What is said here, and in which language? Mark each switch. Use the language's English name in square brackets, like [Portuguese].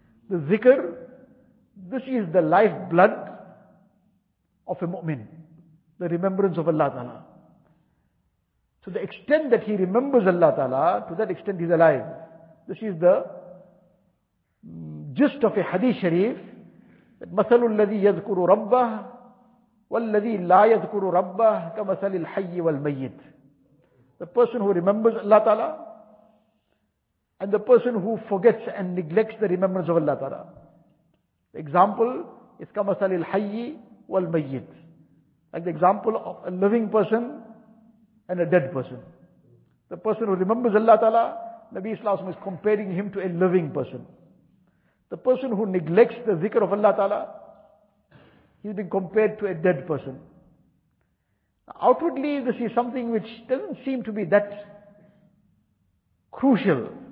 [English] The dhikr, this is the lifeblood of a mu'min. The remembrance of Allah Ta'ala. To the extent that he remembers Allah Ta'ala, to that extent he's alive. This is the gist of a hadith sharif. [Arabic] That مثل الذي يذكر ربه والذي لا يذكر ربه كمثل الحي والميت. [English] The person who remembers Allah Ta'ala and the person who forgets and neglects the remembrance of Allah Ta'ala. The example is [Arabic] كمثل الحي والميت. [English] Like the example of a living person and a dead person. The person who remembers Allah Ta'ala, Nabi Sallallahu Alaihi Wasallam is comparing him to a living person. The person who neglects the zikr of Allah Ta'ala, he's been compared to a dead person. Outwardly, this is something which doesn't seem to be that crucial.